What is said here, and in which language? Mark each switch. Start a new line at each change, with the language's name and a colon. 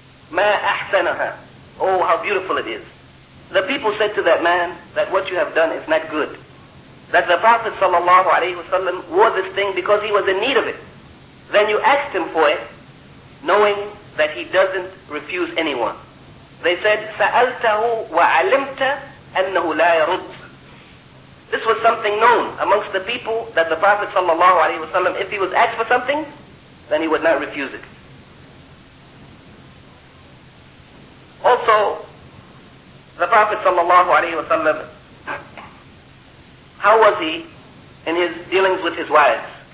Arabic: ما أحسنها.
English: Oh, how beautiful it is. The people said to that man that what you have done is not good. That the Prophet sallallahu alayhi wasallam wore this thing because he was in need of it. Then you asked him for it, knowing that he doesn't refuse anyone. They said,
Arabic: سَأَلْتَهُ وَعَلِمْتَ أَنَّهُ لَا يَرُدْ.
English: This was something known amongst the people that the Prophet sallallahu alayhi wasallam, if he was asked for something, then he would not refuse it. Also, the Prophet sallallahu alayhi wasallam, how was he in his dealings with his wives?